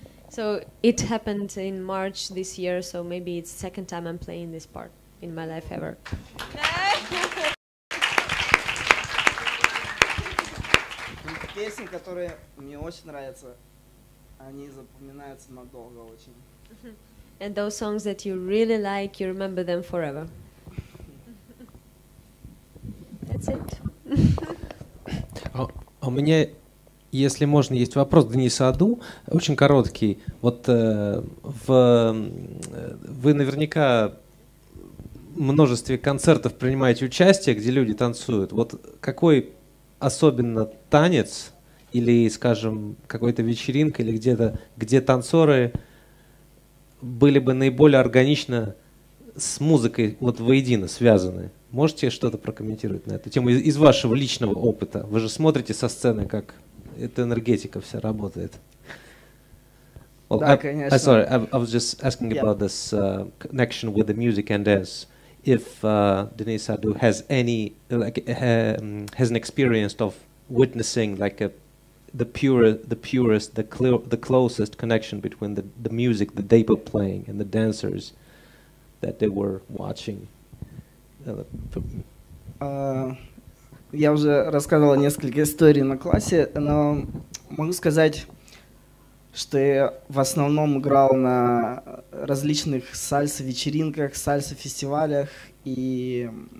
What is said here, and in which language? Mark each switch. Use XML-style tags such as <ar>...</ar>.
<en>So it happened in March this year, so maybe it's second time I'm playing this part in my life ever.</en> <ru>Песни, которые мне очень нравятся, они запоминаются надолго очень.</ru> <en>And those songs that you really like, you remember them forever. That's it.</en> <ru>А у меня, если можно, есть вопрос к Денису Аду, очень короткий. Вот вы наверняка в множестве концертов принимаете участие, где люди танцуют. Вот какой особенно танец или, скажем, какой-то вечеринка или где-то, где танцоры были бы наиболее органично с музыкой вот воедино связаны. Можете что-то прокомментировать на эту тему из вашего личного опыта? Вы же смотрите со сцены, как эта энергетика вся работает. Well, да, конечно.</ru> <en>Sorry, I was just asking about this connection with the music and dance. If Denise Adu has any, like, has an experience of witnessing, like, the closest connection between the music that they were playing and the dancers that they were watching.</en> <ru>Я уже рассказывал несколько историй на классе, но могу сказать, что я в основном играл на различных сальсо-вечеринках, сальсо-фестивалях, и</ru>